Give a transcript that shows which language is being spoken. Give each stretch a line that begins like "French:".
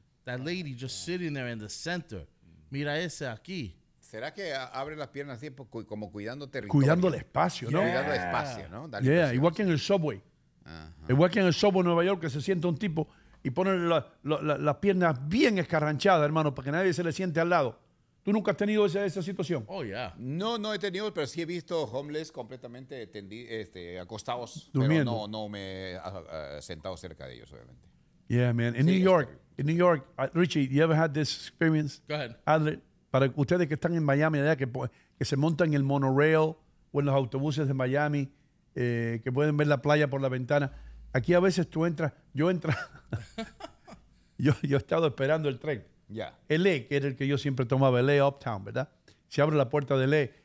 English: That lady just sitting there in the center.
Spanish: Mira ese aquí. ¿Será que abre las piernas así como cuidando territorio? Cuidando el espacio, ¿no? Yeah. Cuidando el espacio, ¿no? Dale yeah, igual que en el subway. Uh-huh. Igual que en el subway de Nueva York, que se siente un tipo y pone las piernas bien escarranchadas, hermano, para que nadie se le siente al lado. ¿Tú nunca has tenido esa situación?
English: Oh, yeah.
Spanish: No, no he tenido, pero sí he visto homeless completamente acostados. Durmiendo. Pero no me he sentado cerca de ellos, obviamente.
English: Yeah, man. In New York, Richie, you ever had this experience? Go ahead.
Spanish: Adler, para ustedes que están en Miami, allá que se montan en el monorail o en los autobuses de Miami, que pueden ver la playa por la ventana. Aquí a veces tú entras, yo entro, yo he estado esperando el tren.
English: Yeah.
Spanish: L.A., que era el que yo siempre tomaba, L.A. Uptown, ¿verdad? Se abre la puerta de L.A.